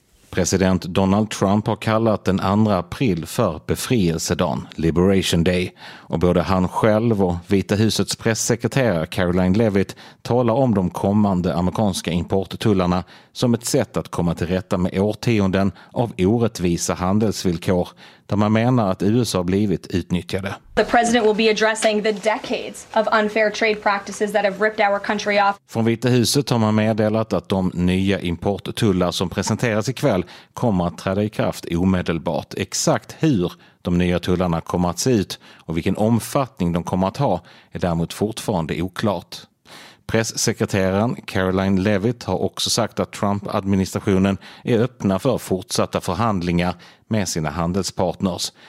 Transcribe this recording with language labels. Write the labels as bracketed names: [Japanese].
[Swedish] President Donald Trump har kallat den 2 april för befrielsedagen, Liberation Day. Och både han själv och Vita husets presssekreterare Caroline Leavitt talar om de kommande amerikanska importtullarna som ett sätt att komma till rätta med årtionden av orättvisa handelsvillkor där man menar att USA blivit utnyttjade. [English] The president will be addressing the decades of unfair trade practices that have ripped our country off. [Swedish] Från Vita huset har man meddelat att de nya importtullar som presenteras ikväll kommer att träda i kraft omedelbart. Exakt hur de nya tullarna kommer att se ut och vilken omfattning de kommer att ha är däremot fortfarande oklart. Presssekreteraren Caroline Leavitt har också sagt att Trump-administrationen är öppna för fortsatta förhandlingar med sina handelspartners.